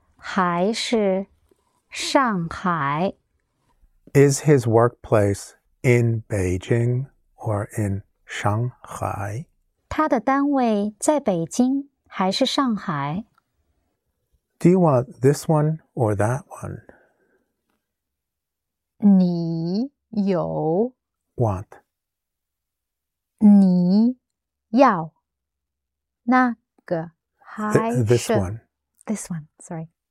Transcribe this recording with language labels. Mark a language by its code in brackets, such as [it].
[zh] 他的单位在北京还是上海? [en] Is his workplace in Beijing or in Shanghai? [zh] 他的单位在北京还是上海? [en] Do you want this one or that one? [zh] 你有 [en] want [zh] 你要那个 [en] This one, sorry.